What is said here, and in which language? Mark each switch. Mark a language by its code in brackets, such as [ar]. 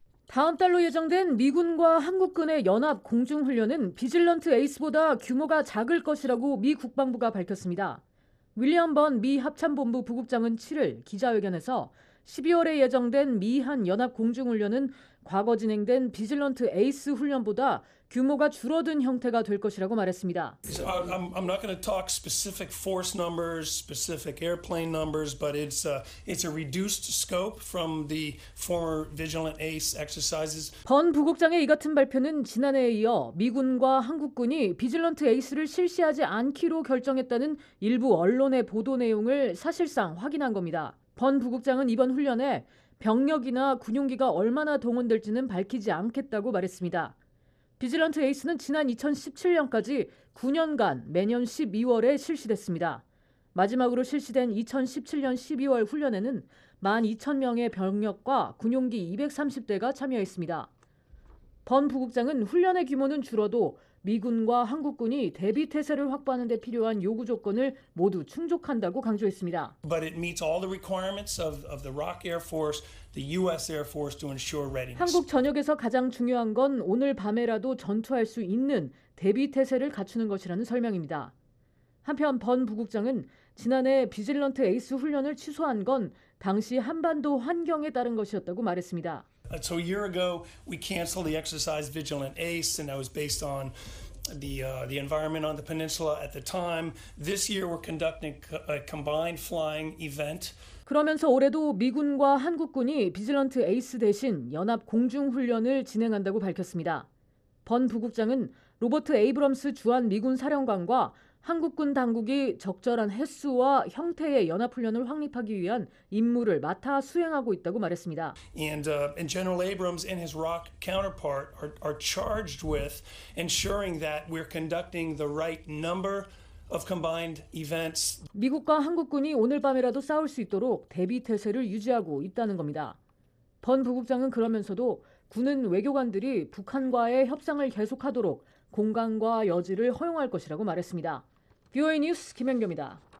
[ko] 다음 달로 예정된 미군과 한국군의 연합공중훈련은 비질런트 에이스보다 규모가 작을 것이라고 미 국방부가 밝혔습니다. 윌리엄 번 미 합참본부 부국장은 7일 기자회견에서 12월에 예정된 미한 연합공중훈련은 과거 진행된 비질런트 에이스 훈련보다 규모가 줄어든 형태가 될 것이라고 말했습니다. [en] I'm not going to talk specific force numbers, specific airplane numbers, but it's a reduced scope from the former Vigilant Ace exercises. [ko] 번 부국장의 이 같은 발표는 지난해에 이어 미군과 한국군이 비질런트 에이스를 실시하지 않기로 결정했다는 일부 언론의 보도 내용을 사실상 확인한 겁니다. 번 부국장은 이번 훈련에 병력이나 군용기가 얼마나 동원될지는 밝히지 않겠다고 말했습니다. 비질런트 에이스는 지난 2017년까지 9년간 매년 12월에 실시됐습니다. 마지막으로 실시된 2017년 12월 훈련에는 12,000명의 병력과 군용기 230대가 참여했습니다. 번 부국장은 훈련의 규모는 줄어도 미군과 한국군이 대비 태세를 확보하는 데 필요한 요구 조건을 모두 충족한다고 강조했습니다. [en] But it meets all the requirements of the ROK Air Force, the US Air Force to ensure readiness. [ko] 한국 전역에서 가장 중요한 건 오늘 밤에라도 전투할 수 있는 대비 태세를 갖추는 것이라는 설명입니다. 한편 번 부국장은 지난해 비질런트 에이스 훈련을 취소한 건 당시 한반도 환경에 따른 것이었다고 말했습니다. [en] So a year ago, we canceled the exercise Vigilant Ace, and that was based on the environment on the peninsula at the time. This year, we're conducting a combined flying event. [ko] 그러면서 올해도 미군과 한국군이 비질런트 에이스 대신 연합 공중훈련을 진행한다고 밝혔습니다. 번 부국장은 로버트 에이브럼스 주한 미군 사령관과 한국군 당국이 적절한 횟수와 형태의 연합훈련을 확립하기 위한 임무를 맡아 수행하고 있다고 말했습니다. [en] And General Abrams and his ROK counterpart are charged with ensuring that we're conducting the right number of combined events. [ko] 미국과 한국군이 오늘 밤이라도 싸울 수 있도록 대비 태세를 유지하고 있다는 겁니다. 번 부국장은 그러면서도 군은 외교관들이 북한과의 협상을 계속하도록 공간과 여지를 허용할 것이라고 말했습니다. VOA 뉴스 김현규입니다.